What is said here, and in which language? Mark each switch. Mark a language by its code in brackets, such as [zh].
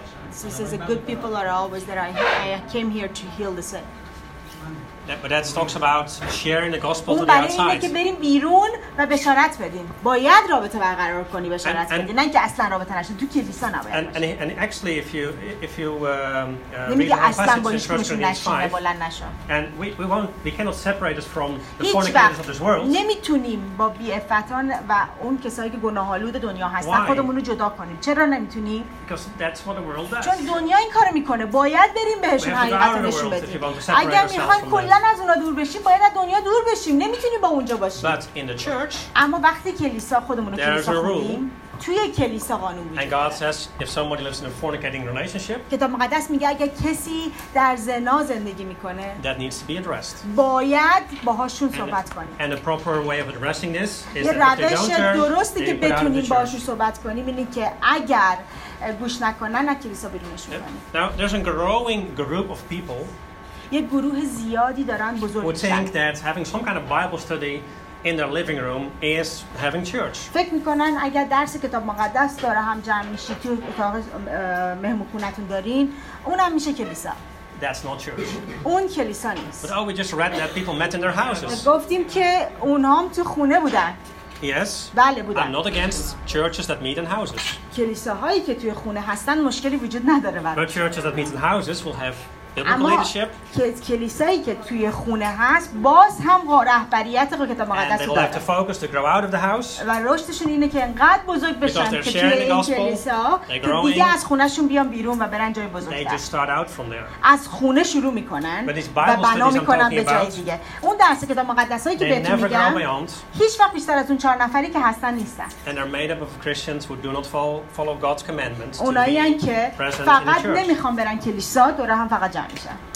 [en] So he says, the good people are always there. I came here to heal the sick. Yeah, but that talks about sharing the gospel to the outside. [fa] اون برای اینه که بریم بیرون و بشارت بدیم. باید رابطه برقرار کنی بشارت بدی. نه اینکه اصلا رابطه نشه. تو کلیسا نباید. [en] And actually if you read the passage in 1 Corinthians 5, and we cannot separate us from the fornicators of this world. [fa] نمیتونیم با بی‌عفتان و اون کسایی که گناه‌آلود دنیا هستن خودمون رو جدا کنیم. چرا نمیتونی؟ [en] Because that's what the world does. [fa] چون دنیا این کارو میکنه. باید بریم بهشون حقیقت رو نشون بدیم. اگر میخوای کلاً از اونا دور بشیم باید از دنیا دور بشیم نمیتونیم با اونجا باشیم. [en] But in the church, [fa] اما وقتی کلیسا خودمون رو کلیسا خوندیم توی کلیسا قانون وجود داره. [en] And God says if somebody lives in a fornicating relationship, [fa] کتاب مقدس میگه اگه کسی در زنا زندگی میکنه [en] that needs to be addressed. [fa] باید باهاشون صحبت کنیم. [en] And a proper way of addressing this is [fa] یه روش درستی که بتونیم باهاشون صحبت کنیم اینه که اگر گوش نکنن از کلیسا بیرونشون کنیم. [en] Now there's a growing group of people [fa] یه گروه زیادی دارن بزرگ میشن. [en] Would think that having some kind of Bible study in their living room is having church. [fa] فکر میکنن اگر درس کتاب مقدس داره هم جمع میشی تو اتاق مهمونتون دارین اونم میشه کلیسا. [en] That's not church. [fa] اون کلیسا نیست. [en] But we just read that people met in their houses. [fa] گفتیم که اونها هم تو خونه بودن. [en] Yes. [fa] بله بودن. [en] I'm not against churches that meet in houses. [fa] کلیساهایی که توی خونه هستن مشکلی وجود نداره. [en] But churches that meet in houses will have [fa] اما leadership. کلیسایی که توی خونه هست باز هم رهبریت رو کتاب مقدس داره. [en] Like to focus to grow out of the house. [fa] و رشدشون اینه که انقدر بزرگ بشن که توی این کلیسا دیگه از خونه‌شون بیان بیرون و برن جای بزرگتر. از خونه شروع میکنن و بنا میکنن به جای دیگه. اون درس کتاب مقدسایی که بهتون میگم هیچ وقت بیشتر از اون 4 نفری که هستن نیستن. [en] And they're made up of Christians who do not follow God's commandments. [fa] اونایی هن که فقط نمیخوان برن کلیسا دوره هم فقط جمع میشن.